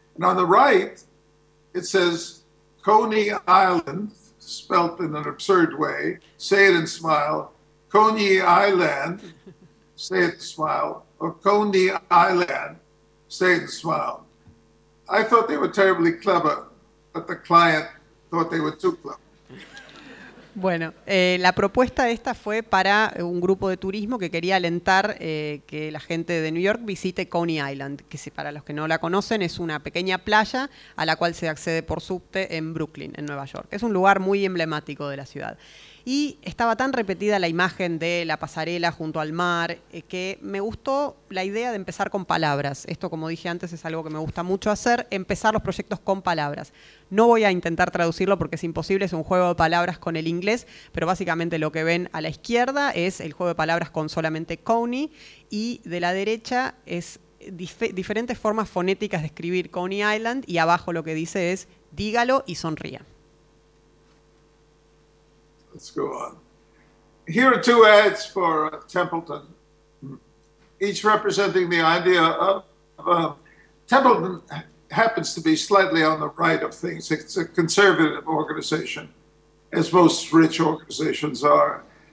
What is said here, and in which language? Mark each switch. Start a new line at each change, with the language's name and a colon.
English: And on the right, it says Coney Island, spelt in an absurd way, say it and smile, Coney Island, say it and smile, or Coney Island, say it and smile. I thought they were terribly clever, but the client thought they were too clever.
Spanish: Bueno, la propuesta esta fue para un grupo de turismo que quería alentar que la gente de New York visite Coney Island, que si, para los que no la conocen es una pequeña playa a la cual se accede por subte en Brooklyn, en Nueva York. Es un lugar muy emblemático de la ciudad. Y estaba tan repetida la imagen de la pasarela junto al mar que me gustó la idea de empezar con palabras. Esto, como dije antes, es algo que me gusta mucho hacer, empezar los proyectos con palabras. No voy a intentar traducirlo porque es imposible, es un juego de palabras con el inglés, pero básicamente lo que ven a la izquierda es el juego de palabras con solamente Coney y de la derecha es diferentes formas fonéticas de escribir Coney Island y abajo lo que dice es dígalo y sonría.
English: Let's go on. Here are two ads for Templeton, each representing the idea of Templeton happens to be slightly on the right of things. It's a conservative organization, as most rich organizations are.